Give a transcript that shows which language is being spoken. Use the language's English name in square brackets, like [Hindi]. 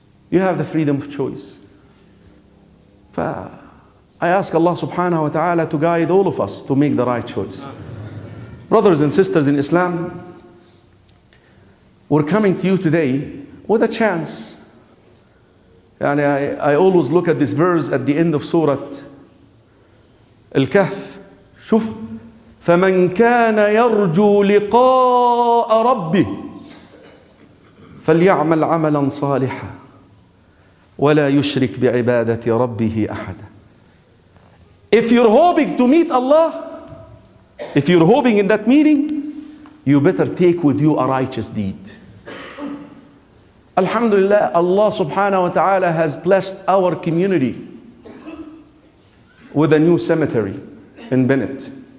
[English] You have the freedom of choice. I ask Allah subhanahu wa ta'ala to guide all of us to make the right choice. Brothers and sisters in Islam, we're coming to you today with a chance. And I always look at this verse at the end of Surah Al-Kahf. [Arabic] شوف, فمن كان يرجو لقاء ربه فليعمل عملا صالحا ولا يشرك بعبادة ربه أحدا. [English] If you're hoping to meet Allah, if you're hoping in that meeting, you better take with you a righteous deed. Alhamdulillah, Allah subhanahu wa ta'ala has blessed our community with a new cemetery in Bennett.